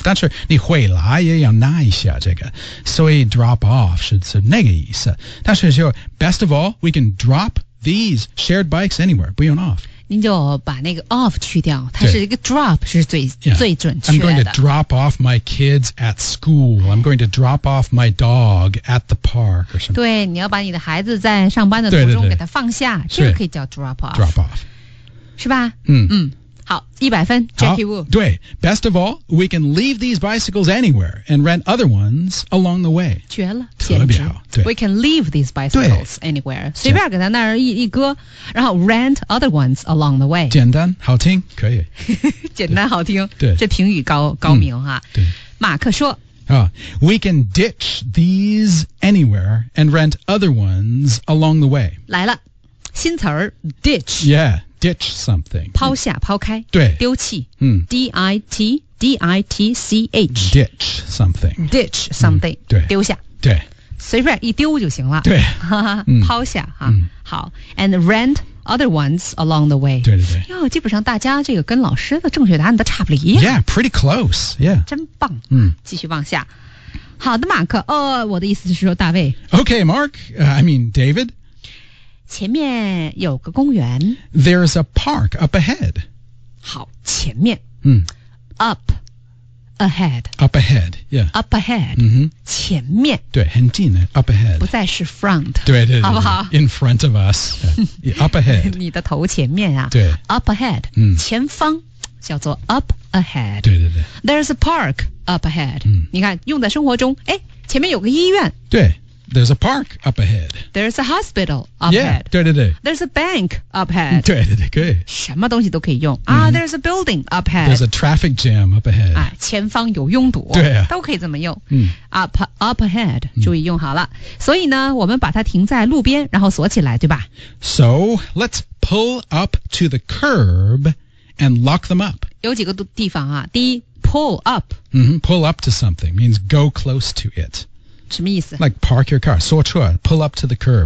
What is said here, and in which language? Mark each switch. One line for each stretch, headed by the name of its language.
Chinese: 但是你回来也要拿一下这个，所以
English: drop off
Chinese: 是那个意思。但是说
English: best of all, we can drop these shared bikes anywhere,
Chinese: 不用
English: off。
Chinese: 您就把那个 off 去掉，它是一个 drop 是最 最准确的。
English: I'm going to drop off my kids at school. I'm going to drop off my dog at the park or something.
Chinese: 对，你要把你的孩子在上班的途中给他放下，对对对，这个可以叫 drop off。
English: drop off，
Chinese: 是吧？好，100分 ，Jackie Wu。
English: 对 ，Best of all, we can leave these bicycles anywhere and rent other ones along the way.
Chinese: 绝了，特别好。对
English: ，We can leave these bicycles anywhere，
Chinese: 随便给他那儿一搁，然后
English: rent other ones along the way。
Chinese: 简单，好听，可以。简单好听，对，这评语高明哈。对，马克说。
English: We can ditch these anywhere and rent other ones along the way.
Chinese: 来了，新词儿 ，ditch。
English: Yeah。 Ditch something.
Chinese: 抛下抛开对丢弃D-I-T-D-I-T-C-H.
English: Ditch something. Ditch something.
Chinese: 对丢下对随便一丢就行了对抛下哈好
English: And rent other ones along the way.
Chinese: 对对对哟基本上大家这个跟老师的正确答案都差不离
English: Yeah, pretty close. Yeah.
Chinese: 真棒继续往下好的马克我的意思是说大卫
English: Okay, Mark. I mean, David.
Chinese: 前面有个公园
English: There's a park up ahead
Chinese: 好前面Up ahead
English: Up ahead yeah. Up ahead、前面
Chinese: 对很近的
English: Up ahead
Chinese: 不再是 front 对 对, 对, 对好不好
English: In front of us yeah, Up ahead
Chinese: 你的头前面啊对
English: Up ahead、
Chinese: 前方叫做 up ahead 对对对
English: There's a park up ahead、
Chinese: 你看用在生活中哎，前面有个医院
English: 对There's a park up ahead. There's a hospital up ahead.
Chinese: Yeah, 对对对。
English: There's a bank up ahead.
Chinese: 对对对，可以。什么东西都可以用。
English: There's a building up ahead. There's a traffic jam up ahead.
Chinese: 前方有拥堵。对啊。都可以这么用。
English: Up ahead,
Chinese: 注意用好了。所以呢，我们把它停在路边，然后锁起来，对吧
English: ？So let's pull up to the curb and lock them up.
Chinese: 有几个地方啊，第一 ，pull up.
English: Pull up to something means go close to it.
Chinese: 什么意思
English: ？Like park your car, 锁车 pull up to the curb.